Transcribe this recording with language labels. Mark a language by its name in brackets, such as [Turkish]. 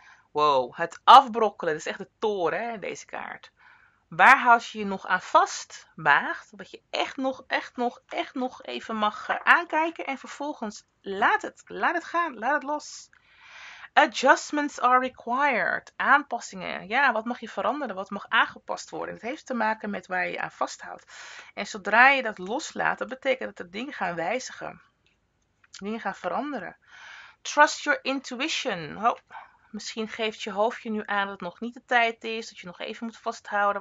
[Dutch] Wow. Het afbrokkelen. Dat is echt de toren, hè, deze kaart. Waar houd je je nog aan vast, maagd? Wat je echt nog even mag aankijken. En vervolgens laat het gaan, laat het los. [English] Adjustments are required. [Dutch] Aanpassingen. Ja, wat mag je veranderen? Wat mag aangepast worden? Het heeft te maken met waar je je aan vasthoudt. En zodra je dat loslaat, dat betekent dat de dingen gaan wijzigen. Dingen gaan veranderen. [English] Trust your intuition. [Dutch] Oh. Misschien geeft je hoofdje nu aan dat het nog niet de tijd is. Dat je nog even moet vasthouden.